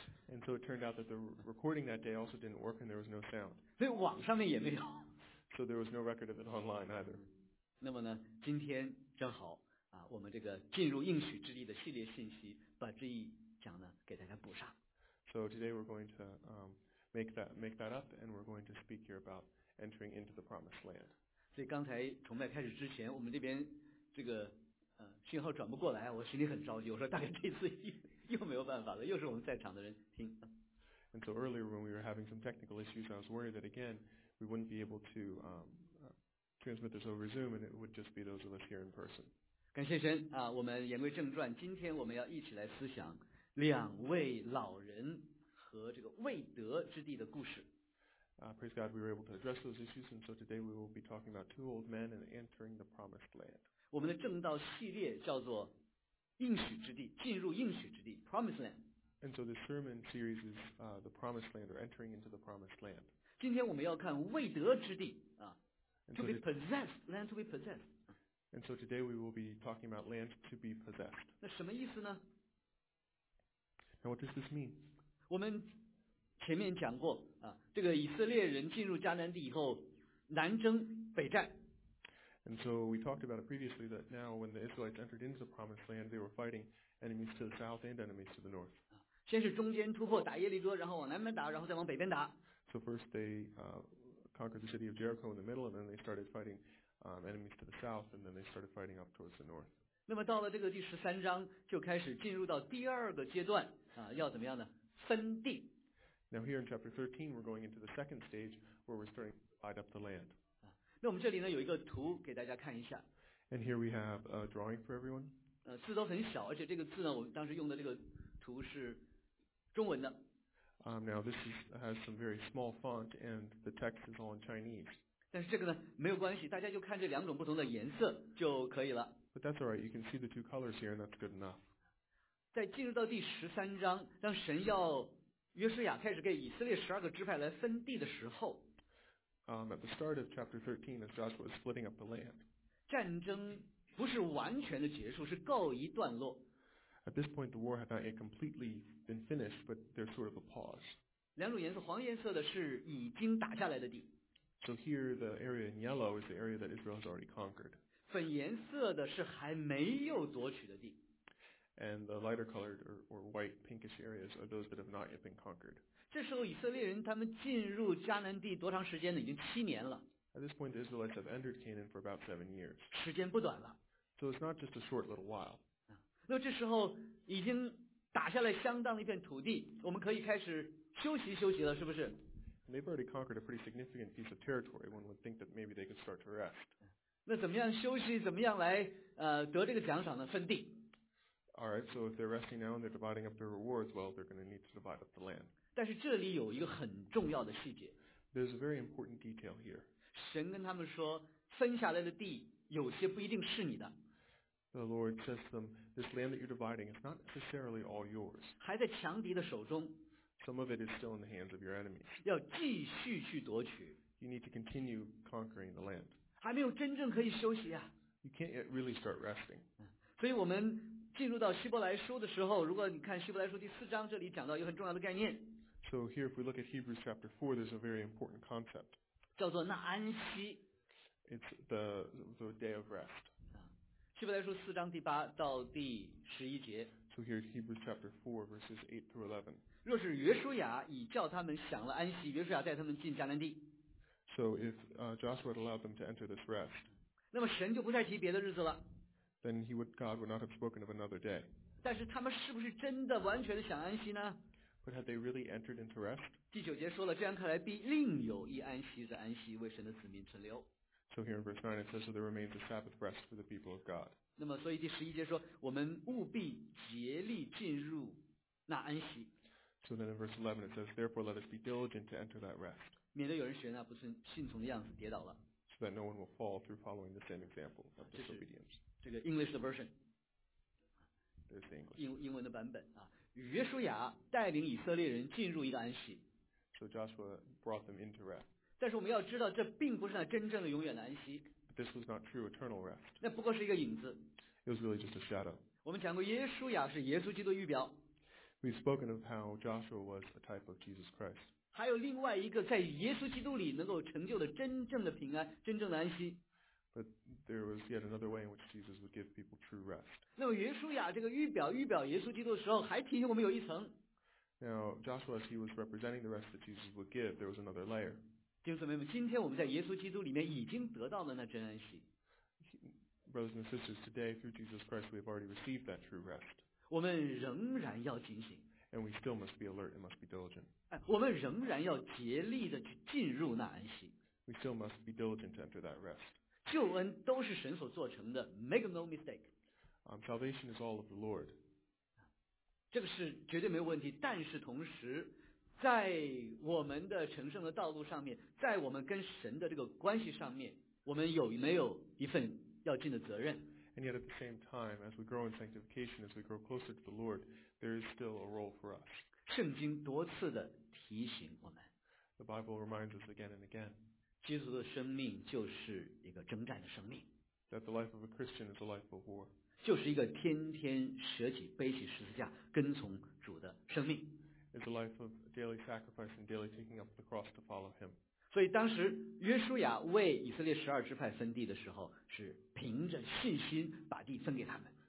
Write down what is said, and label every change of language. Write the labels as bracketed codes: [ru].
[en] And so it turned out that the recording that day also didn't work, and there was no sound. [zh] 所以网上面也没有。 [en] So there was no record of it online either. [zh] 那么呢，今天正好啊，我们这个进入应许之地的系列信息，把这一讲呢给大家补上。 [en] So today we're going to make that up, and we're going to speak here about entering into the promised land. [zh] 所以刚才崇拜开始之前，我们这边这个。信号转不过来，我心里很着急。我说大概这次又没有办法了，又是我们在场的人听。 [en] And so earlier when we were having some technical issues, I was worried that again we wouldn't be able to transmit this over Zoom, and it would just be those of us here in person. [zh] 感谢神啊！我们言归正传，今天我们要一起来思想两位老人和这个未得之地的故事。 [en] Praise God, we were able to address those issues, and so today we will be talking about two old men and entering the promised land. [zh] 我们的正道系列叫做应许之地，进入应许之地 [en] Promised Land. And so the sermon series is the Promised Land, or entering into the Promised Land. [zh] 今天我们要看未得之地、 [en] to be possessed, land to be possessed. And so today we will be talking about land to be possessed. [zh] 那什么意思呢？ [en] Now what does this mean? [zh] 我们前面讲过、这个以色列人进入迦南地以后南征北战。 [en] And so we talked about it previously that now when the Israelites entered into the Promised Land, they were fighting enemies to the south and enemies to the north. [zh] 先是中间突破打耶利哥，然后往南边打，然后再往北边打。 [en] So first they conquered the city of Jericho in the middle, and then they started fighting enemies to the south, and then they started fighting up towards the north. [zh] 那么到了这个第十三章，就开始进入到第二个阶段要怎么样呢？分地。 [en] Now here in chapter 13, we're going into the second stage where we're starting to divide up the land. [zh] 那我们这里呢有一个图给大家看一下。 [en] And here we have a drawing for everyone. [zh] 字都很小，而且这个字呢，我们当时用的这个图是中文的。 [en] Now this has some very small font, and the text is all in Chinese. [zh] 但是这个呢没有关系，大家就看这两种不同的颜色就可以了。 [en] But that's alright. You can see the two colors here, and that's good enough. [zh] 在进入到第十三章，当神要约书亚开始给以色列十二个支派来分地的时候。 [en] At the start of chapter 13, as Joshua was splitting up the land, [zh] 战争不是完全的结束，是告一段落。 [en] At this point, the war had not yet completely been finished, but there's sort of a pause. [zh] 两种颜色，黄颜色的是已经打下来的地。 [en] So here, the area in yellow is the area that Israel has already conquered. [zh] 粉颜色的是还没有夺取的地。 [en] And the lighter colored or white pinkish areas are those that have not yet been conquered. [zh] 这时候以色列人他们进入迦南地多长时间呢？已经七年了。 [en] At this point, the Israelites have entered Canaan for about 7 years. [zh] 时间不短了。 [en] So it's not just a short little while. [zh] 那这时候已经打下了相当的一片土地，我们可以开始休息休息了，是不是 [en] ？They've already conquered a pretty significant piece of territory. One would think that maybe they could start to rest. [zh] 那怎么样休息？怎么样来得这个奖赏呢？分地。 [en] All right. So if they're resting now and they're dividing up their rewards, well, they're going to need to divide up the land. [zh] 但是这里有一个很重要的细节。 [en] There's a very important detail here. [zh] 神跟他们说，分下来的地有些不一定是你的。 [en] The Lord says to them, this land that you're dividing is not necessarily all yours. [zh] 还在强敌的手中。 [en] Some of it is still in the hands of your enemies. [zh] 要继续去夺取。 [en] You need to continue conquering the land. [zh] 还没有真正可以休息啊。 [en] You can't yet really start resting. [zh] 所以我们进入到希伯来书的时候，如果你看希伯来书第四章，这里讲到一个很重要的概念。 [en] So here, if we look at Hebrews chapter 4, there's a very important concept. [zh] 叫做那安息。 [en] It's the day of rest. [zh] 希伯来书四章第八到第十一节。 [en] So here's Hebrews chapter 4, verses 8 through 11. [zh] 若是约书亚已叫他们享了安息，约书亚带他们进迦南地。 [en] So if Joshua had allowed them to enter this rest. [zh] 那么神就不再提别的日子了。 [en] Then God would not have spoken of another day. [zh] 但是他们是不是真的完全的想安息呢？ [en] But had they really entered into rest? [zh] 第九节说了，这样看来必另有一安息，这安息为神的子民存留。 [en] So here in verse 9 it says that there remains a Sabbath rest for the people of God. [zh] 那么所以第十一节说，我们务必竭力进入那安息。 [en] So then in verse 11 it says, therefore let us be diligent to enter that rest. [zh] 免得有人学那不信从的样子跌倒了。 [en] So that no one will fall through following the same example of disobedience. [zh] 这个 English 的 version. [en] There's the English. [zh] 英文的版本啊，约书亚带领以色列人进入一个安息。 [en] So Joshua brought them into rest. [zh] 但是我们要知道这并不是那真正的永远的安息。 [en] But this was not true eternal rest. [zh] 那不过是一个影子。 [en] It was really just a shadow. [zh] 我们讲过耶稣亚是耶稣基督预表。 [en] We've spoken of how Joshua was a type of Jesus Christ. [zh] 还有另外一个在耶稣基督里能够成就的真正的平安，真正的安息。 [en] But there was yet another way in which Jesus would give people true rest. [zh] 那么耶稣亚这个预表耶稣基督的时候，还提醒我们有一层。 [en] Now, Joshua, as he was representing the rest that Jesus would give, there was another layer. [zh] 弟兄姊妹们，今天我们在耶稣基督里面已经得到了那真安息。 [en] Brothers and sisters, today through Jesus Christ, we have already received that true rest. [zh] 我们仍然要警醒。 [en] And we still must be alert and must be diligent. [zh] 我们仍然要竭力地去进入那安息。 [en] We still must be diligent to enter that rest. [zh] 救恩都是神所做成的 ， [en] make no mistake. Salvation is all of the Lord. [zh] 这个是绝对没有问题，但是同时在我们的成圣的道路上面，在我们跟神的这个关系上面，我们有没有一份要尽的责任？ [en] And yet at the same time, as we grow in sanctification, as we grow closer to the Lord, there is still a role for us. [zh] 圣经多次的提醒我们。 [en] The Bible reminds us again and again. [zh] 基督的生命就是一个征战的生命。 [en] That the life of a Christian is a life of war. [zh] 就是一个天天舍己背起十字架跟从主的生命。 [en] It's a life of daily sacrifice and daily taking up the cross to follow Him. [zh] 所以当时约书亚为以色列十二支派分地的时候，是凭着信心把地分给他们。